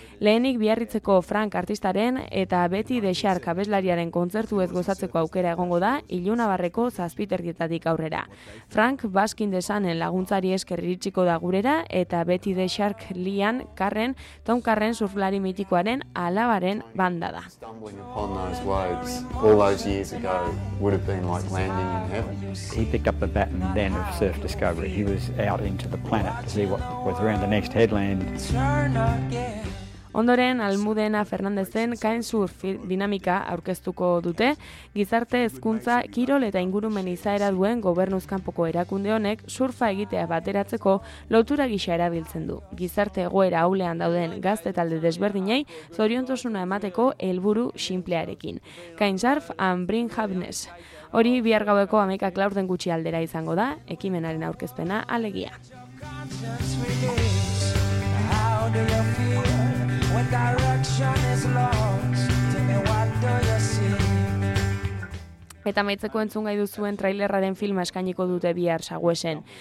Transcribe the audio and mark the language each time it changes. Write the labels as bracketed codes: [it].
[eu] Lehenik Biarritzeko Frank artistaren eta Beti Dexar kabeslariaren kontzertu ez gozatzeko aukera egongo da Ilunabarreko 7:30etatik aurrera. Frank Baskin Desanen laguntzari esker iritsiko da gurera eta Beti Dexar Lian Karren Tom Karren surflari mitikoaren alabaren banda da. [en] He picked up the baton then of surf discovery. He was out into the planet to see what was around the next headland. [eu] Ondoren, Almudena Fernandezen kain surf dinamika aurkeztuko dute, gizarte hezkuntza kirol eta ingurumen izaera duen gobernuzkanpoko erakunde honek surfa egitea bateratzeko lotura gisa erabiltzen du. Gizarte egoera haulean dauden gazte talde desberdinei zoriontasuna emateko helburu sinplearekin. [en] Kain surf and bring happiness. [eu] Hori bihar gaueko 11ak laurden gutxi aldera izango da, ekimenaren aurkezpena alegia. Eta maitzeko entzungai duzuen trailerraren filma eskainiko dute bihar Saguesen.